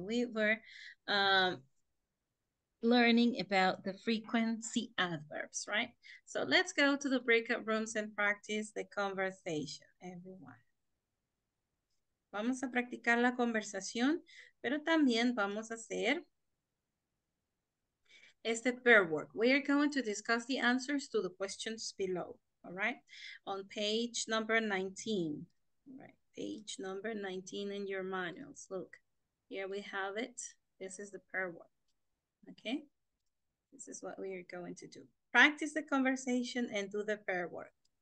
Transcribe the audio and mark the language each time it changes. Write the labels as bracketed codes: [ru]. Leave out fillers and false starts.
[en] We were learning about the frequency adverbs, right? So let's go to the breakout rooms and practice the conversation, everyone. [es] Vamos a practicar la conversación, pero también vamos a hacer este pair work. [en] We are going to discuss the answers to the questions below, all right? On page number 19, all right? Page number 19 in your manuals. Look, here we have it. This is the pair work. Okay, this is what we are going to do. Practice the conversation and do the pair work.